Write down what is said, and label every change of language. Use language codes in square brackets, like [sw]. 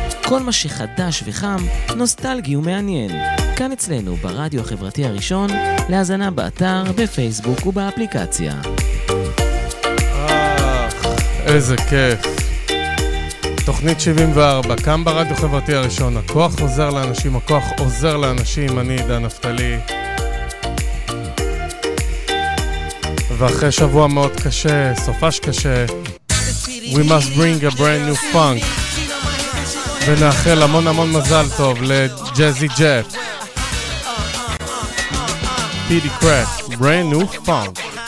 [he] כל מה שחדש וחם, נוסטלגי ומעניין. כאן אצלנו ברדיו החברתי הראשון, להזנה באתר, בפייסבוק ובאפליקציה. איזה כיף. תוכנית 74, כאן ברדיו החברתי הראשון, הכוח עוזר לאנשים, הכוח עוזר לאנשים, אני עידן נפתלי. ואחרי שבוע מאוד קשה, סופש קשה, [en] we must bring a brand new funk. [he] ונאחל המון המון מזל טוב לג'אזי ג'אפ. פידי קראט, brand new funk.